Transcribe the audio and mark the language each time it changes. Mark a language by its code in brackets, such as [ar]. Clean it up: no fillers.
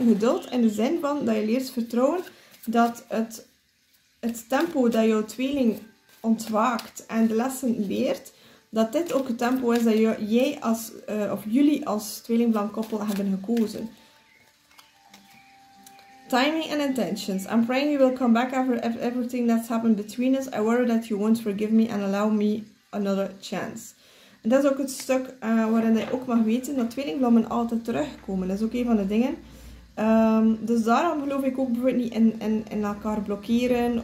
[nl] Geduld in de zin van dat je leert vertrouwen dat het tempo dat jouw tweeling ontwaakt en de lessen leert, dat dit ook het tempo is dat jij als, of jullie als tweelingblank koppel hebben gekozen. [en] Timing and intentions. I'm praying you will come back after everything that's happened between us. I worry that you won't forgive me and allow me another chance. [nl] En dat is ook het stuk waarin hij ook mag weten dat tweelingblammen altijd terugkomen. Dat is ook een van de dingen. Dus daarom geloof ik ook bijvoorbeeld niet in elkaar blokkeren.